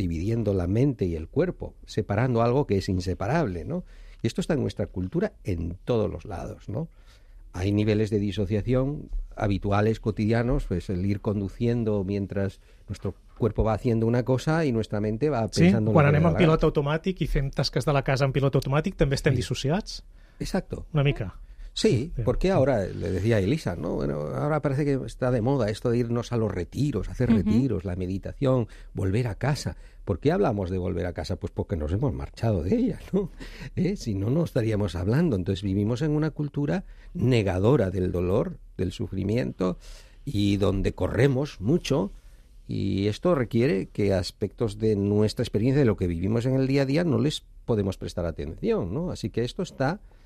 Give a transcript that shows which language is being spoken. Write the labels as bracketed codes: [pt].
[es] Dividiendo la mente y el cuerpo, separando algo que es inseparable, ¿no? Y esto está en nuestra cultura en todos los lados, ¿no? Hay niveles de disociación habituales, cotidianos, pues el ir conduciendo mientras nuestro cuerpo va haciendo una cosa y nuestra mente va pensando... [ca] Sí, quan anem en pilot automàtic i fem tasques de la casa en pilot automàtic, també estem dissociats. [es] Exacto. [ca] Una mica. [es] Sí, porque ahora, le decía Elisa, ¿no? Bueno, ahora parece que está de moda esto de irnos a los retiros, hacer retiros, la meditación, volver a casa. ¿Por qué hablamos de volver a casa? Pues porque nos hemos marchado de ella, ¿no? Si no, no estaríamos hablando. Entonces vivimos en una cultura negadora del dolor, del sufrimiento, y donde corremos mucho, y esto requiere que aspectos de nuestra experiencia, de lo que vivimos en el día a día, no les podemos prestar atención, ¿no? Así que esto está...